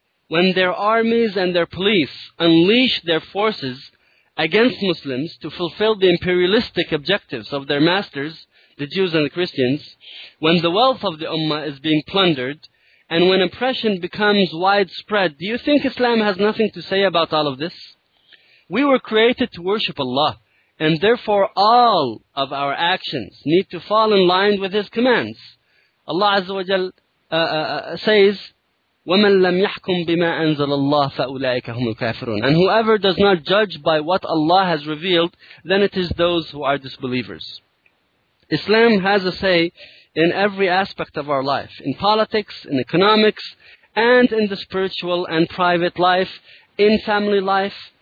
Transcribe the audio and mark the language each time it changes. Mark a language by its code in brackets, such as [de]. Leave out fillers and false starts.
[en] when their armies and their police unleash their forces against Muslims to fulfill the imperialistic objectives of their masters, the Jews and the Christians, when the wealth of the ummah is being plundered, and when oppression becomes widespread, do you think Islam has nothing to say about all of this? We were created to worship Allah, and therefore all of our actions need to fall in line with His commands. Allah Azza wa Jal says, [ar] وَمَنْ لَمْ يَحْكُمْ بِمَا أَنزَلَ اللَّهُ فَأُولَٰئِكَ هُمُ الْكَافِرُونَ. [en] And whoever does not judge by what Allah has revealed, then it is those who are disbelievers. Islam has a say in every aspect of our life, in politics, in economics, and in the spiritual and private life, in family life.